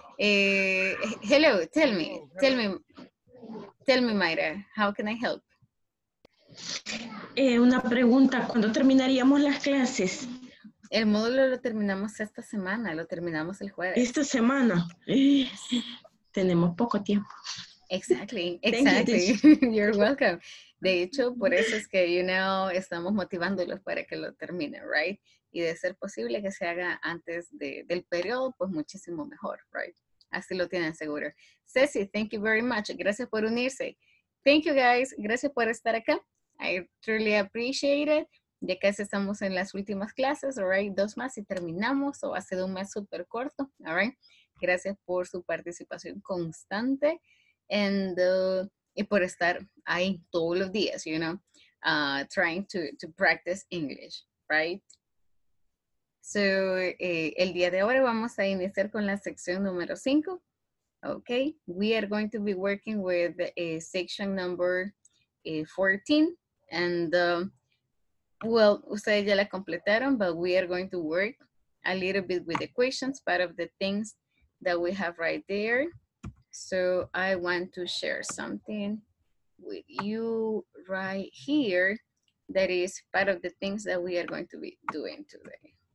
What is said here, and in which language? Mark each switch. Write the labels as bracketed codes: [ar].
[en] Hello, tell me, Mayra, how can I help? [es] Una pregunta, ¿cuándo terminaríamos las clases? El módulo lo terminamos esta semana, lo terminamos el jueves. Esta semana. Tenemos poco tiempo. [en] Exactly, exactly. You, you're welcome. [es] De hecho, por eso es que, [en] you know, [es] estamos motivándolos para que lo terminen, right? Y de ser posible que se haga antes del periodo, pues muchísimo mejor, right? Así lo tienen seguro. Ceci, [en] thank you very much. [es] Gracias por unirse. [en] Thank you guys. [es] Gracias por estar acá. [en] I truly appreciate it. [es] Ya casi estamos en las últimas clases, all right? Dos más y terminamos, o va a ser un mes súper corto, all right? Gracias por su participación constante y por estar ahí todos los días, [en] you know, trying to practice English, right? [es] So, el día de ahora vamos a iniciar con la sección número 5, okay? [en] We are going to be working with section number 14. And, well, [es] ustedes ya la completaron, [en] but we are going to work a little bit with the questions, part of the things that we have right there. So I want to share something with you right here that is part of the things that we are going to be doing today.